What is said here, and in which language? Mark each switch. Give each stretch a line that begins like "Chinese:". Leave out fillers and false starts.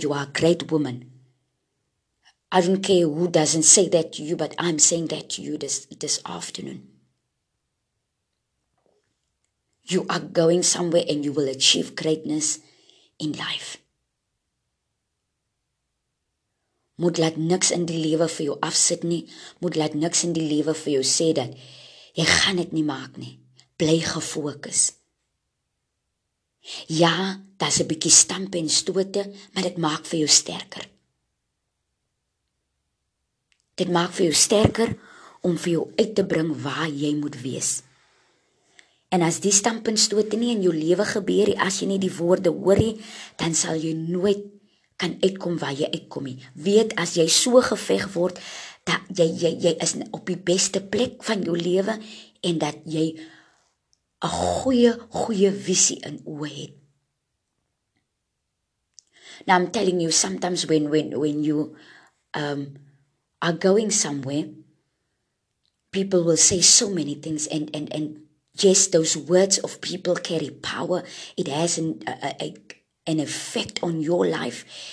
English: You are a great woman. I don't care who doesn't say that to you, but I'm saying that to you this afternoon. You are going somewhere and you will achieve greatness in life.
Afrikaans: Moet laat niks in die lewe vir jou afsit nie. Moet laat niks in die lewe vir jou sê dat jy gaan dit nie maak nie. Bly gefokus. Ja, dat's 'n bietjie stamp en stote, maar dit maak vir jou sterker. Dit maak vir jou sterker om vir jou uit te bring waar jy moet wees. En as die stamp en stote nie in jou lewe gebeur nie, as jy nie die woorde hoor nie, dan sal jy nooit kan uitkom waar jy uitkom nie. Weet, as jy so geveg word, dat jy is op die beste plek van jou lewe en dat jy 'n goeie visie in oë het.
English: Now I'm telling you, sometimes when you are going somewhere, people will say so many things, and yes, those words of people carry power. It has an effect on your life.